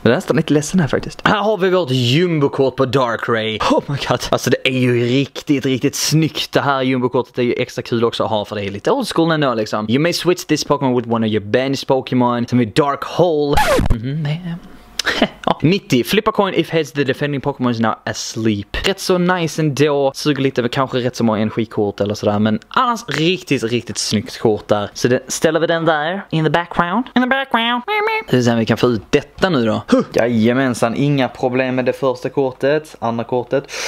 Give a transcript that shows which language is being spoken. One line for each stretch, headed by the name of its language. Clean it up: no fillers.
Swedish: Jag är nästan lite ledsen här faktiskt. Här har vi vårt Jumbo-kort på Darkray.
English: Oh my god.
Swedish: Alltså det är ju riktigt, riktigt snyggt. Det här Jumbo-kortet är ju extra kul också att ha, för det är lite old school ändå liksom.
English: You may switch this Pokémon with one of your bench Pokémon.
Swedish: Som är Dark Hole. Ja.
English: 90,
Swedish: flippa
English: coin if heads the defending Pokémon is now asleep.
Swedish: Rätt så nice ändå, suger lite med kanske rätt så många energikort eller sådär. Men annars riktigt, riktigt snyggt kort där. Så det, ställer vi den där,
English: in the background.
Swedish: Hur ser vi kan få ut detta nu då? Jajamensan, inga problem med det första kortet, andra kortet.